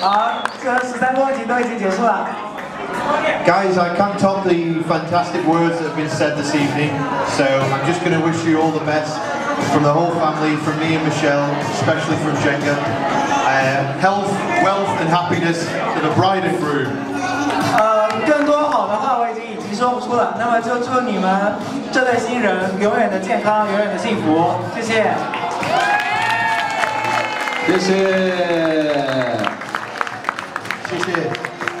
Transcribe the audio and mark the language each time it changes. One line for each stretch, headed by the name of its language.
Chinese: 好，这13个问题都已经结束了。
English: Guys, I can't top the fantastic words that have been said this evening, so I'm just going to wish you all the best from the whole family, from me and Michelle, especially from Jenga. Health, wealth and happiness to the bride and groom.
Chinese: 更多说不出了。那么就祝你们这对新人永远的健康，永远的幸福。谢谢。谢谢。谢谢。